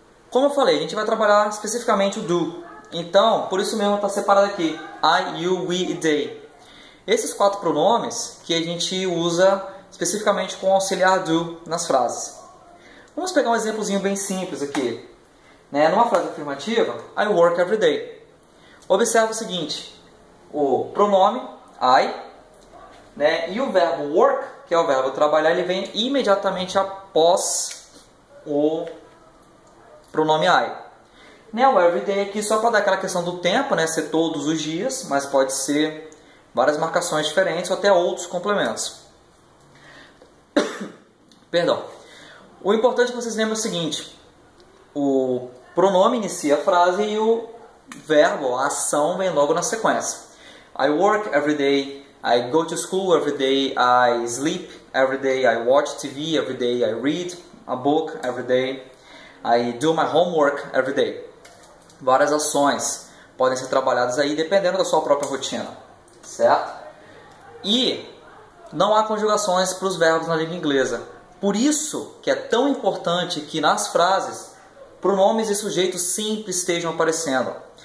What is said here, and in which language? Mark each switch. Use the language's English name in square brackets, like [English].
[Portuguese] Como eu falei, a gente vai trabalhar especificamente o do. Então, por isso mesmo está separado aqui: I, you, we e they. Esses quatro pronomes que a gente usa especificamente com o auxiliar do nas frases. Vamos pegar um exemplozinho bem simples aqui, né? Numa frase afirmativa, [English] I work every day. [Portuguese] Observa o seguinte: o pronome I, né, e o verbo work, que é o verbo trabalhar, ele vem imediatamente após o pronome I. Né, o everyday aqui só para dar aquela questão do tempo, né, ser todos os dias, mas pode ser várias marcações diferentes ou até outros complementos. Perdão. O importante é que vocês lembrem o seguinte: o pronome inicia a frase e o verbo, a ação vem logo na sequência. [English] I work every day, I go to school every day, I sleep every day, I watch TV every day, I read a book every day, I do my homework every day. [Portuguese] Várias ações podem ser trabalhadas aí dependendo da sua própria rotina, certo? E não há conjugações para os verbos na língua inglesa. Por isso que é tão importante que nas frases, pronomes e sujeitos sempre estejam aparecendo.